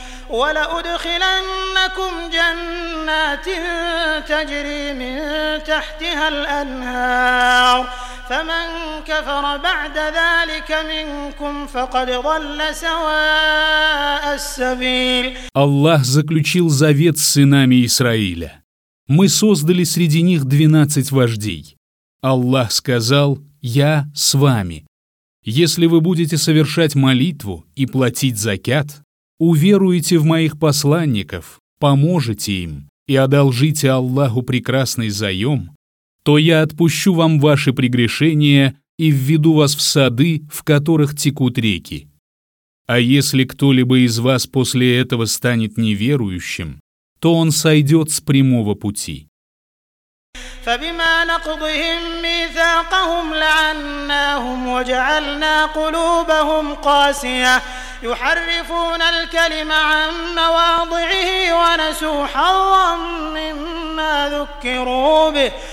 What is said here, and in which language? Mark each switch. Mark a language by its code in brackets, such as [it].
[ar] ولأدخلنكم جنات تجري من تحتها الأنهار فمن كفر بعد ذلك منكم فقد ضل سواء السبيل. [ru] الله заключил завет с сынами Израиля. Мы создали среди них 12 вождей. Аллах сказал: «Я с вами». Если вы будете совершать молитву и платить закят, уверуете в моих посланников, поможете им и одолжите Аллаху прекрасный заем, то я отпущу вам ваши прегрешения и введу вас в сады, в которых текут реки. А если кто-либо из вас после этого станет неверующим, то он сойдет с прямого пути. [ar] فبما نقضهم ميثاقهم لعناهم وجعلنا قلوبهم قاسية يحرفون الكلم عن مواضعه ونسوا حظا مما ذكروا به